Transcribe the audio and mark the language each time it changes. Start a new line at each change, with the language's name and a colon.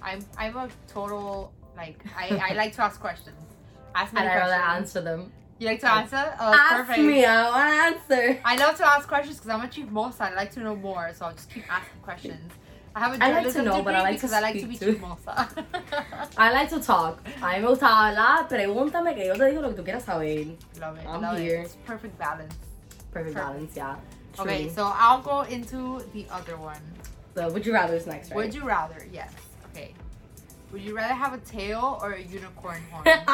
English: I'm a total, like, I like to ask questions. Ask me and questions. I rather answer them. You like to answer? Oh, ask perfect. Ask me, I want to answer. I love to ask questions because I'm a chiefmosa. I like to know more, so I'll just keep asking questions. I like to know, but I like to speak. I like to be chismosa. I like to talk.
Spanish: A mí me gusta hablar. Pregúntame que yo te digo lo que tú quieras saber.
English: Love it. I'm love here. It. It's perfect balance. Perfect balance, yeah. True. Okay, so I'll go into the other one. The would you rather is next, right? Would you rather, yes. Okay. Would you rather have a tail or a unicorn horn?